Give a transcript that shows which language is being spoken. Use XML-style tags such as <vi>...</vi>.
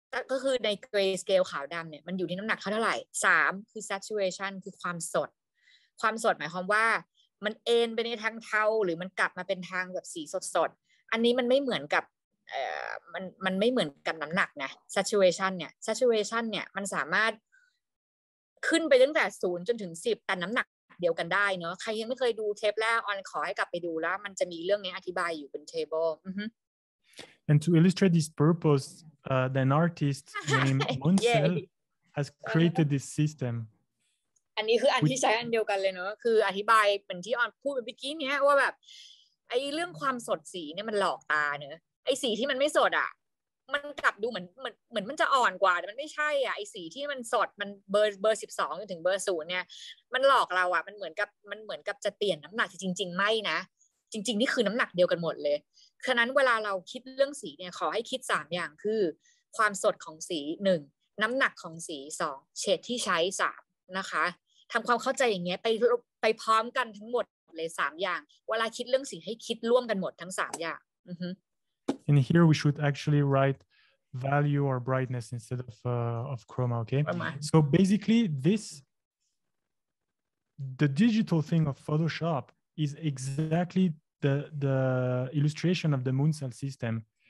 <th>ก็คือในเกรย์สเกลขาวดำเนี่ยมันอยู่ที่น้ำหนักเท่าไหร่3คือ saturation คือความสดความสดหมายความว่ามันเอ็นไปในทางเทาหรือมันกลับมาเป็นทางแบบสีสดสดอันนี้มันไม่เหมือนกับ มันไม่เหมือนกันน้ำหนักไง saturation เนี่ย saturation เนี่ยมันสามารถขึ้นไปตั้งแต่0จนถึง10แต่น้ำหนักเดียวกันได้เนาะใครยังไม่เคยดูเทปแรกออนขอให้กลับไปดูแล้วมันจะมีเรื่องนี้อธิบายอยู่เป็น table</th> <en>And to illustrate this purpose an artist named Munsell has created this system</en> <th>อันนี้คืออันที่ใช้อันเดียวกันเลยเนาะคืออธิบายเหมือนที่ออนพูดเมื่อกี้เนี่ยว่าแบบไอ้เรื่องความสดสีเนี่ยมันหลอกตาเนาะไอ้สีที่มันไม่สดอ่ะมันกลับดูเหมือนมันจะอ่อนกว่าแต่มันไม่ใช่อ่ะไอ้สีที่มันสดมันเบอร์12จนถึงเบอร์0เนี่ยมันหลอกเราอ่ะมันเหมือน กับจะเปลี่ยนน้ำหนักจริงๆไม่นะจริงๆนี่คือน้ำหนักเดียวกันหมดเลยฉะนั้นเวลาเราคิดเรื่องสีเนี่ยขอให้คิด3อย่างคือความสดของสี1น้ำหนักของสี2เฉดที่ใช้3นะคะทำความเข้าใจอย่างเงี้ยไปพร้อมกันทั้งหมดเลย3อย่างเวลาคิดเรื่องสีให้คิดร่วมกันหมดทั้ง3อย่าง</th> <en>And here we should actually write value or brightness instead of chroma, okay? So basically this, the digital thing of Photoshop is exactly the illustration of the Munsell system.</en>